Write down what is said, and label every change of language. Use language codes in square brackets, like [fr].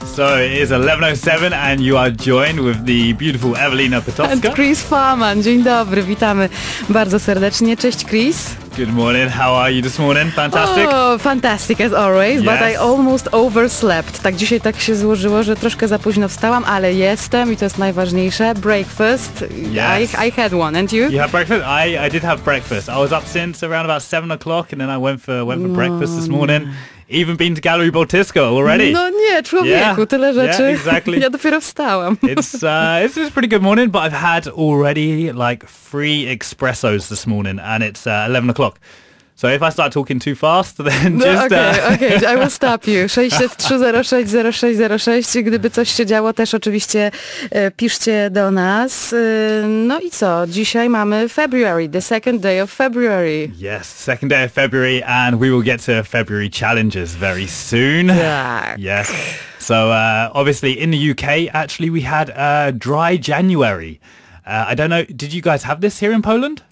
[en] So it is 11:07 and you are joined with the beautiful Evelina Potocka. And Chris Farman. [pl] Dzień dobry, witamy bardzo serdecznie. Cześć, Chris. [en] Good morning, how are you this morning? Fantastic? Oh, fantastic as always, yes. But I almost overslept. [pl] Tak dzisiaj tak się złożyło, że troszkę za późno wstałam, ale jestem i to jest najważniejsze. [en] Breakfast, yes. I had one, and you? You had breakfast? I did have breakfast. I was up since around about 7 o'clock and then I went for breakfast this morning. Even been to Gallery Baltisco already. [pl] No nie, człowieku, [en] yeah. [pl] Tyle rzeczy. [en] Yeah, exactly. [pl] Ja dopiero wstałam. [en] It's a pretty good morning, but I've had already like 3 espressos this morning and it's 11 o'clock. So if I start talking too fast, then just... Okay, I will stop you. 603-06-06-06. [pl] Gdyby coś się działo, też oczywiście piszcie do nas. No i co? Dzisiaj mamy [en] February, the second day of February. Yes, second day of February, and we will get to February challenges very soon. [pl] Tak. [en] Yes. So obviously in the UK, actually, we had a dry January. I don't know, did you guys have this here in Poland?